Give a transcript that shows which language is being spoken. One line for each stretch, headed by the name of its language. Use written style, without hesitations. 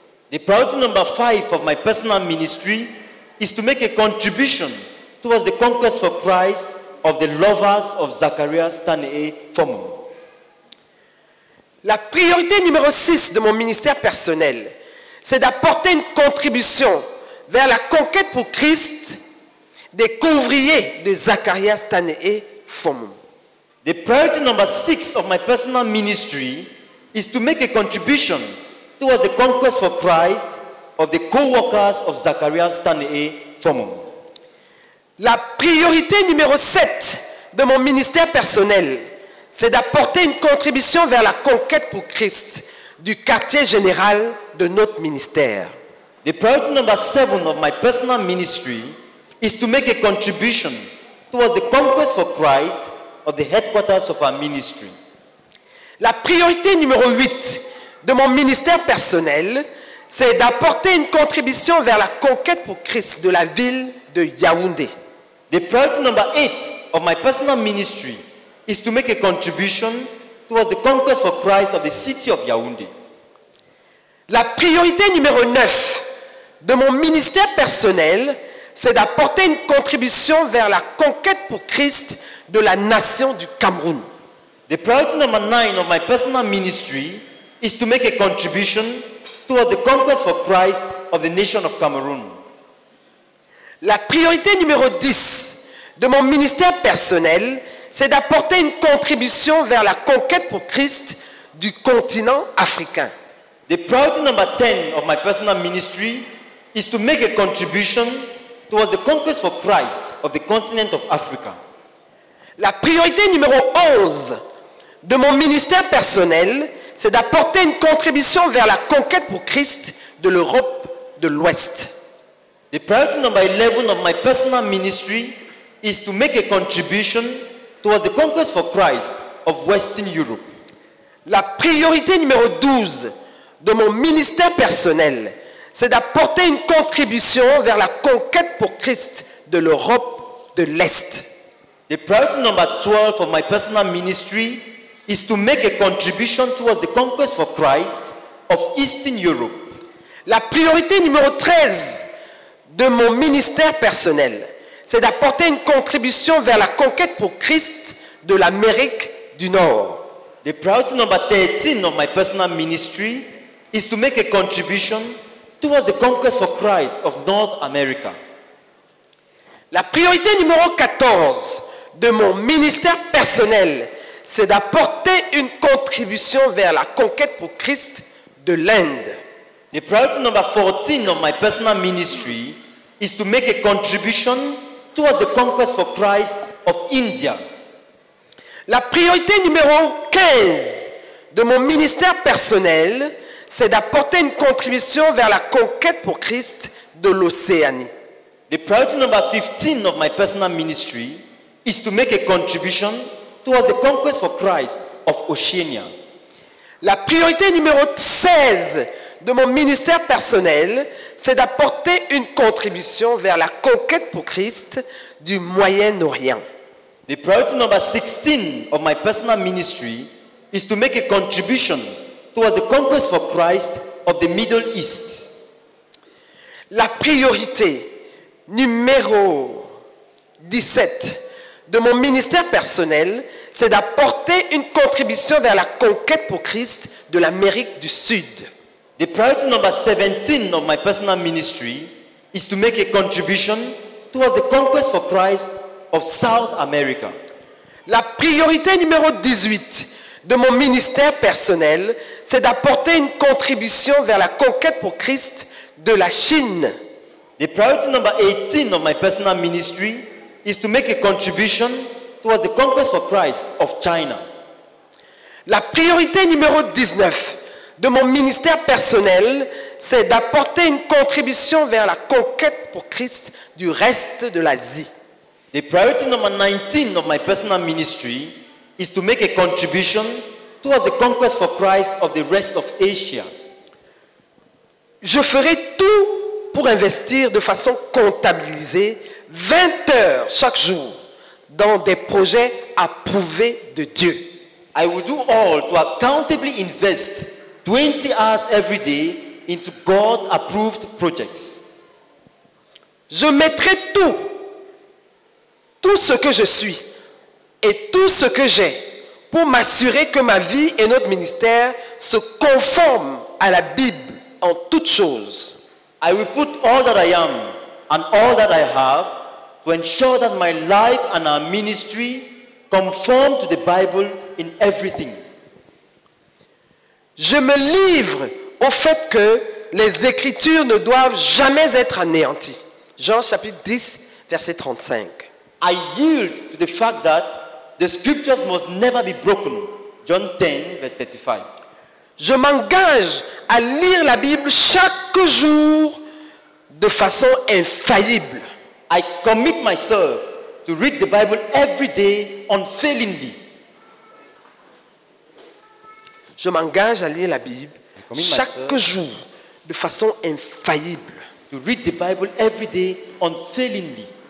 English: The priority number 5 of my personal ministry is to make a contribution towards the conquest for Christ of the lovers of Zacharias Tanehe Fomu.
French: La priorité numéro 6 de mon ministère personnel, c'est d'apporter une contribution vers la conquête pour Christ des couvriers de Zacharias Tanehe Fomu.
English: The priority number 6 of my personal ministry is to make a contribution towards the conquest for Christ of the co-workers of Zacharias Tanehe Fomu.
French: La priorité numéro 7 de mon ministère personnel, c'est d'apporter une contribution vers la conquête pour Christ du quartier général de notre ministère.
English: The priority number 7 of my personal ministry is to make a contribution towards the conquest for Christ of the headquarters of our ministry.
French: La priorité numéro 8 de mon ministère personnel, c'est d'apporter une contribution vers la conquête pour Christ de la ville de Yaoundé.
English: The priority number 8 of my personal ministry is to make a contribution towards the conquest for Christ of the city of Yaoundé.
French: La priorité numéro 9 de mon ministère personnel, c'est d'apporter une contribution vers la conquête pour Christ de la nation du Cameroun.
English: The priority number 9 of my personal ministry is to make a contribution towards the conquest for Christ of the nation of Cameroon.
French: La priorité numéro 10 de mon ministère personnel, c'est d'apporter une contribution vers la conquête pour Christ du continent africain.
English: The priority number 10 of my personal ministry is to make a contribution towards the conquest for Christ of the continent of Africa.
French: La priorité numéro 11 de mon ministère personnel, c'est d'apporter une contribution vers la conquête pour Christ de l'Europe de l'Ouest.
English: The priority number 11 of my personal ministry is to make a contribution towards the conquest for Christ of Western Europe.
French: La priorité numéro 12 de mon ministère personnel, c'est d'apporter une contribution vers la conquête pour Christ de l'Europe de l'Est.
English: The priority number 12 of my personal ministry is to make a contribution towards the conquest for Christ of Eastern Europe.
French: La priorité numéro 13 de mon ministère personnel, c'est d'apporter une contribution vers la conquête pour Christ de l'Amérique du Nord.
English: The priority number 13 of my personal ministry is to make a contribution towards the conquest for Christ of North America.
French: La priorité numéro 14 de mon ministère personnel, c'est d'apporter une contribution vers la conquête pour Christ de l'Inde.
English: The priority number 14 of my personal ministry is to make a contribution towards the conquest for Christ of India.
French: La priorité numéro 15 de mon ministère personnel, c'est d'apporter une contribution vers la conquête pour Christ de l'Océanie.
English: The priority number 15 of my personal ministry is to make a contribution towards the conquest for Christ of Oceania.
French: La priorité numéro 16 de mon ministère personnel, c'est d'apporter une contribution vers la conquête pour Christ du Moyen-Orient.
English: The priority number 16 of my personal ministry is to make a contribution towards the conquest for Christ of the Middle East.
French: La priorité numéro 17 de mon ministère personnel, c'est d'apporter une contribution vers la conquête pour Christ de l'Amérique du Sud.
English: The priority number 17 of my personal ministry is to make a contribution towards the conquest for Christ of South America.
French: La priorité numéro 18 de mon ministère personnel, c'est d'apporter une contribution vers la conquête pour Christ de la Chine.
English: The priority number 18 of my personal ministry is to make a contribution towards the conquest for Christ of China.
French: La priorité numéro 19 de mon ministère personnel, c'est d'apporter une contribution vers la conquête pour Christ du reste de l'Asie.
English: The priority number 19 of my personal ministry is to make a contribution towards the conquest for Christ of the rest of Asia.
French: Je ferai tout pour investir de façon comptabilisée 20 heures chaque jour dans des projets approuvés de Dieu.
English: I will do all to accountably invest 20 hours every day into God-approved projects.
French: Je mettrai tout, tout ce que je suis et tout ce que j'ai pour m'assurer que ma vie et notre ministère se conforment à la Bible en toutes choses.
English: I will put all that I am and all that I have to ensure that my life and our ministry conform to the Bible in everything.
French: Je me livre au fait que les Écritures ne doivent jamais être anéanties. Jean chapitre 10, verset 35.
English: I yield to the fact that the Scriptures must never be broken. John 10, verse 35.
French: Je m'engage à lire la Bible chaque jour de façon infaillible.
English: I commit myself to read the Bible every day unfailingly.
French: Je m'engage à lire la Bible chaque jour de façon infaillible.
English: To read the Bible every day unfailingly.